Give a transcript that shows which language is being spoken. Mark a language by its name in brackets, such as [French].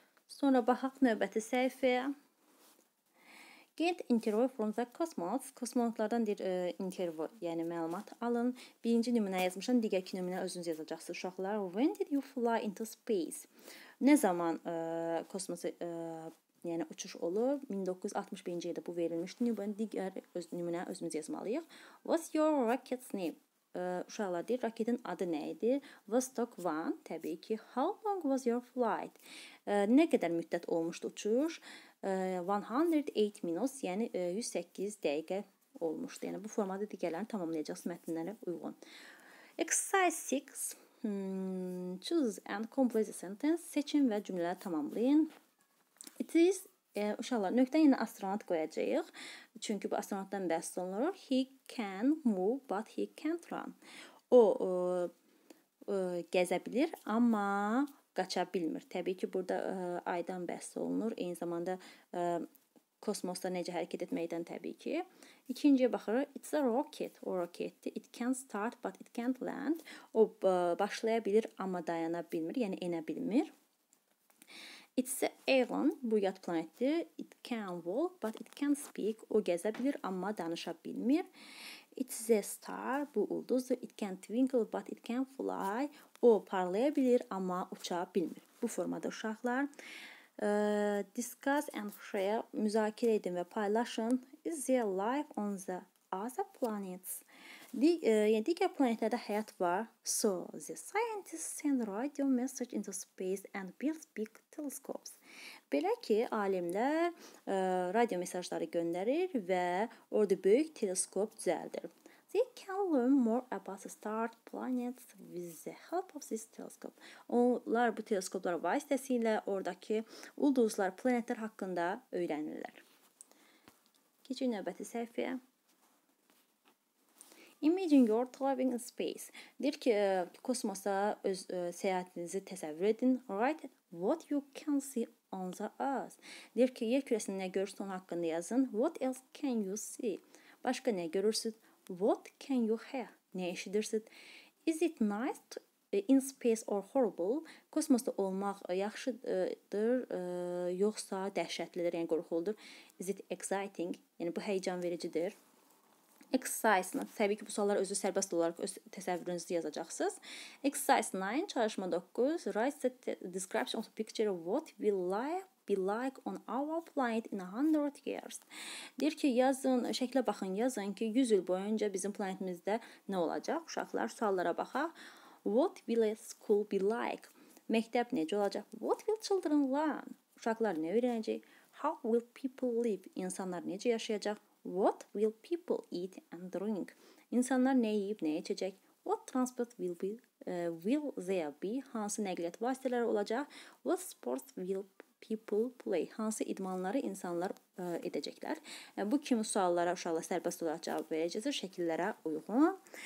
[Azerbaijani] Sonra baxaq növbəti səhifəyə. [English] Get interview from the cosmonauts. [Azerbaijani] Kosmonautlardan bir interview, yəni məlumat alın. Birinci nümunə yazmışam, digər iki nümunə özünüz yazacaqsınız uşaqlar. [English] When did you fly into space? [Azerbaijani] Nə zaman kosmosa yəni uçuş olur? 1961-ci ildə bu verilmişdi. Nümunə digər nümunə özümüz yazmalıyıq. [English] What's your rocket's name? [Azerbaijani] Uşaqlar deyir, raketin adı nə idi? Vostok 1, təbii ki. [English] How long was your flight? [Azerbaijani] Nə qədər müddət olmuşdu uçuş? 108 minus, yəni 108 dəqiqə olmuşdu. Yəni bu formada digərlərini tamamlayacaqsınız mətnlərə uyğun. [English] Exercise 6. Choose and complete the sentence. [Azerbaijani] Seçin və cümlələri tamamlayın. It is uşaqlar, nöqtə yenə astronaut qoyacağıq. Çünki bu astronautdan bəhs olunur. He can move, but he can't run. O gəzə bilir, amma qaça bilmir. Təbii ki, burada aydan bəhs olunur. Eyni zamanda kosmosda necə hərəkət etməkdən təbii ki. İkinciyə baxırıq. [English] It's a rocket. [Azerbaijani] O rocketdir. [English] It can start, but it can't land. [Azerbaijani] O başlaya bilir, amma dayana bilmir. Yəni, enə bilmir. [English] It's a alien, [Azerbaijani] bu yad planetdir. [English] It can walk, but it can speak. [Azerbaijani] O gəzə bilir, amma danışa bilmir. [English] It's a star, [Azerbaijani] bu ulduzdur. [English] It can twinkle, but it can fly. [Azerbaijani] O parlaya bilir, amma uça bilmir. Bu formada uşaqlar. [English] Discuss and share, [Azerbaijani] müzakirə edin və paylaşın. [English] Is there life on the other planets. [Azerbaijani] Diğer planetlerde hayat var. [English] So the scientists send radio message into space and build big telescopes. [Azerbaijani] Belə ki, alimlər radio mesajları göndərir və orada böyük teleskop düzəldir. [English] They can learn more about the star planets with the help of this telescope. [Azerbaijani] Onlar bu teleskoplar vasitəsilə oradakı ulduzlar, planetlər haqqında öyrənirlər. Keçin növbəti səhifəyə. [English] Imagine you're traveling in space. [Azerbaijani] Deyir ki, kosmosa öz səyahətinizi təsəvvür edin. [English] Write what you can see on the Earth. [Azerbaijani] Deyir ki, yer kürəsini nə görürsün onun haqqında yazın. [English] What else can you see? [Azerbaijani] Başqa nə görürsün? [English] What can you hear? [Azerbaijani] Nə eşidirsin? [English] Is it nice to, in space or horrible? [Azerbaijani] Kosmosda olmaq yaxşıdır, yoxsa dəhşətlidir, yəni qorxuludur. [English] Is it exciting? [Azerbaijani] Yəni bu həyəcan vericidir. Exercise 9. Təbii ki, bu suallar özü sərbəst olaraq öz təsəvvürünüzü yazacaqsınız. Exercise 9, çalışma 9. [English] Write the description of the picture of what will life be like on our planet in 100 years. [Azerbaijani] Deyir ki, yazın, şəklə baxın, yazın ki, 100 il boyunca bizim planetimizdə nə olacaq? Uşaqlar, suallara baxaq. [English] What will a school be like? [Azerbaijani] Məktəb necə olacaq? [English] What will children learn? [Azerbaijani] Uşaqlar nə öyrənəcək? [English] How will people live? [Azerbaijani] İnsanlar necə yaşayacaq? [English] What will people eat and drink? [Azerbaijani] İnsanlar nə yiyib, nə içəcək? [English] What transport will be? Will there be? [Azerbaijani] Hansı nəqliyyat vasitələri olacaq? [English] What sports will people play? [Azerbaijani] Hansı idmanları insanlar edəcəklər? Bu kimi suallara uşaqlar sərbəst olaraq cavab verəcəklər şəkillərə uyğun.